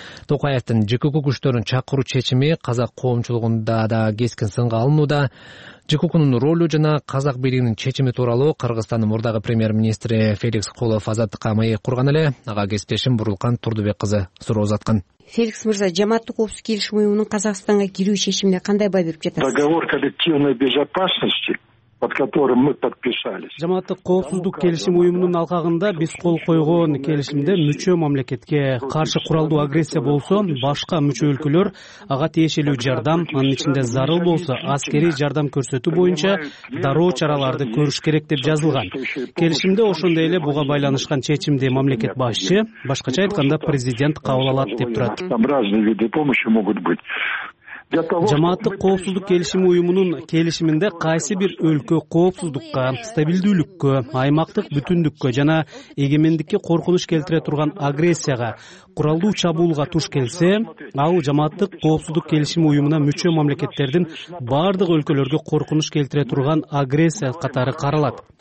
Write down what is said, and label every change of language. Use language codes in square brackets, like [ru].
[ky] Токаевдин ЖКК күчтөрүн чакыруу чечими казак коомчулугунда да кескин сынга алынууда. ЖКК-нун ролу жана казак бийлигинин чечими тууралуу Кыргызстандын мурдагы премьер-министри Феликс Кулов азаттыкка маек курган эле ага кесиптешим Бурулкан Турдубек кызы суроо узаткан. Феликс мырза, жамааттык коопсуздук келишим уюмунун Казакстанга кирүү чечимине кандай баа берип жатасыз? [ru] Договор коллективной безопасности, под которым мы подписались. [ky] Жамааттык коопсуздук келишим уюмунун алкагында биз кол койгон келишимде мүчө мамлекетке каршы куралдуу агрессия болсо, башка мүчө өлкөлөр ага тиешелүү жардам, анын ичинде зарыл болсо аскерий жардам көрсөтүү боюнча дароо чараларды көрүш керек деп жазылган. Келишимде ошондой эле буга байланышкан чечимди мамлекет башчы, башкача айтканда президент кабыл алат деп турат. [ru] Там разные виды помощи могут быть. [ky] Жамааттык коопсуздук келишими уюмунун келишиминде кайсы бир өлкө коопсуздукка, стабилдүүлүккө, аймактык бүтүндүккө жана эгемендикке коркунуч келтире турган агрессияга, куралдуу чабуулга туш келсе, ал жамааттык коопсуздук келишими уюмуна мүчө мамлекеттердин бардык өлкөлөргө коркунуч келтире турган агрессия катары каралат.